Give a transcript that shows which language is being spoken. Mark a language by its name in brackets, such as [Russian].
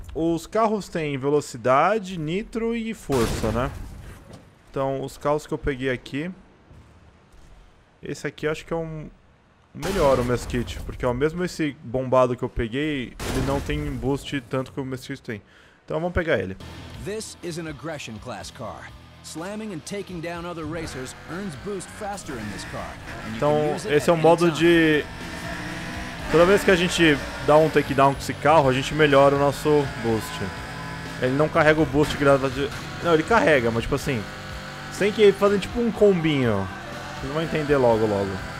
[Portuguese] Os carros têm velocidade, nitro e força, né? Então, os carros que eu peguei aqui. Esse aqui acho que é um melhor, o Mesquite. Porque, ó, mesmo esse bombado que eu peguei, ele não tem boost tanto que o Mesquite tem. Então, vamos pegar ele. [English] This is an aggression class car. Slamming and taking down other racers earns boost faster in this car. [Portuguese] Então, esse é um modo de... toda vez que a gente dá um takedown com esse carro, a gente melhora o nosso boost. Ele não carrega o boost que dá de... não, ele carrega, mas tipo assim, sem que ele fazer tipo um combinho. Vocês vão entender logo, logo.